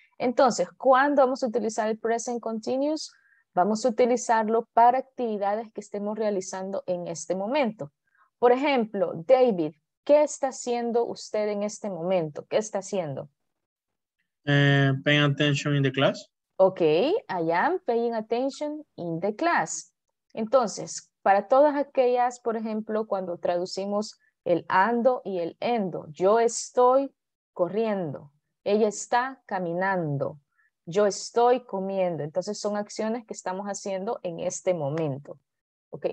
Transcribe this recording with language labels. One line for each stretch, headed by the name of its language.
Spanish: Entonces, ¿cuándo vamos a utilizar el present continuous? Vamos a utilizarlo para actividades que estemos realizando en este momento. Por ejemplo, David, ¿qué está haciendo usted en este momento? ¿Qué está haciendo?
English: Paying attention in the class. Okay, I am paying attention in the class.
Spanish: Entonces, para todas aquellas, por ejemplo, cuando traducimos el ando y el endo, yo estoy corriendo. Ella está caminando. Yo estoy comiendo. Entonces son acciones que estamos haciendo en este momento. Okay.